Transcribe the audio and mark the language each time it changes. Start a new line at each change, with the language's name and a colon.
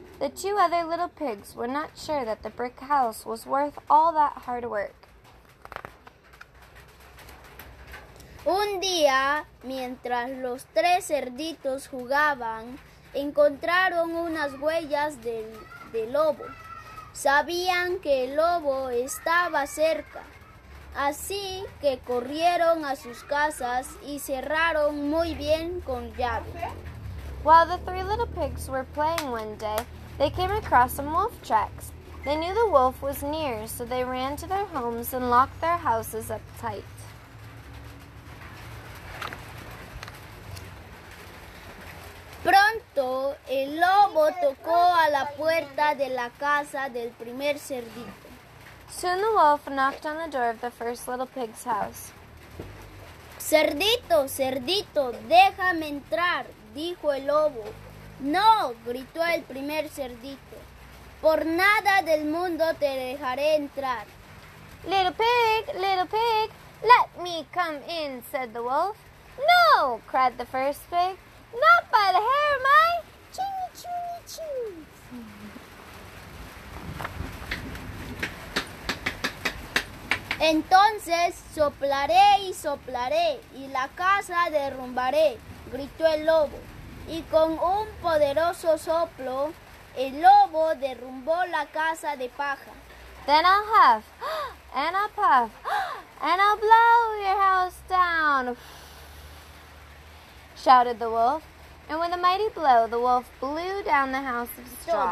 English: The two other little pigs were not sure that the brick house was worth all that hard work.
Spanish: Un día, mientras los tres cerditos jugaban, encontraron unas huellas de lobo. Sabían que el lobo estaba cerca, así que corrieron a sus casas y cerraron muy bien con llave.
English: While the three little pigs were playing one day, they came across some wolf tracks. They knew the wolf was near, so they ran to their homes and locked their houses up tight.
Spanish: Pronto, el lobo tocó a la puerta de la casa del primer cerdito.
English: Soon the wolf knocked on the door of the first little pig's house.
Spanish: Cerdito, cerdito, déjame entrar, dijo el lobo. No, gritó el primer cerdito. Por nada del mundo te dejaré entrar.
English: Little pig, let me come in, said the wolf. No, cried the first pig. Not by the hair of my chinny chinny chins.
Spanish: Entonces soplaré y soplaré y la casa derrumbaré, gritó el lobo. Y con un poderoso soplo, el lobo derrumbó la casa de paja.
English: Then I'll huff, and I'll puff, and I'll blow your house down, shouted the wolf. And with a mighty blow, the wolf blew down the house of straw.